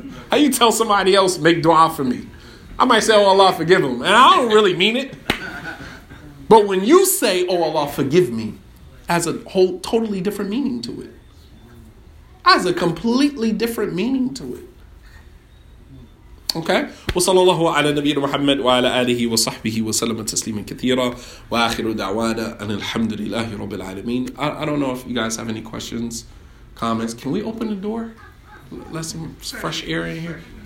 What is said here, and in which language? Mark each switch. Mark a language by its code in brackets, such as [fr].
[en] How you tell somebody else, make dua for me? I might say, oh Allah, forgive him. And I don't really mean it. But when you say, oh Allah, forgive me, has a whole totally different meaning to it. Has a completely different meaning to it. Okay. [ar] وصلى الله على نبينا محمد وعلى آله وصحبه وسلم تسليما كثيرا وآخر دعوانا أن الحمد لله رب العالمين. [en] I don't know if you guys have any questions, comments. Can we open the door? Let some fresh air in here.